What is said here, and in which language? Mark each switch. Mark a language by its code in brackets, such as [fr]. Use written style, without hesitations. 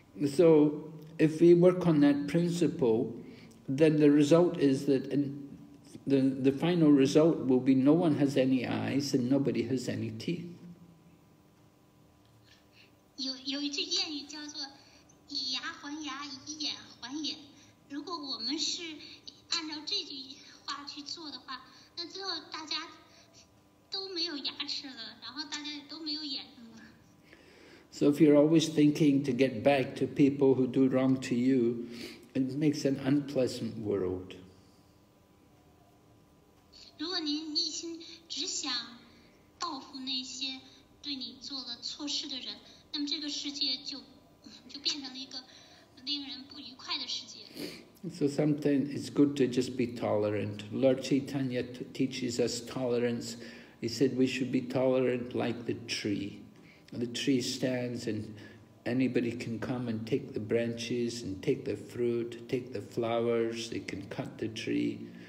[en] So if we work on that principle, then the result is that the final result will be no one has any eyes and nobody has any teeth. [zh] 有一句谚语叫做以牙还牙，以眼还眼。如果我们是按照这句话去做的话，那最后大家都没有牙齿了，然后大家也都没有眼睛了。 [en] So if you're always thinking to get back to people who do wrong to you, it makes an unpleasant world. [zh] 如果您一心只想报复那些对你做了错事的人，那么这个世界就变成了一个令人不愉快的世界。 [en] So sometimes it's good to just be tolerant. Lord Chaitanya teaches us tolerance. He said we should be tolerant like the tree. The tree stands and anybody can come and take the branches and take the fruit, take the flowers, they can cut the tree.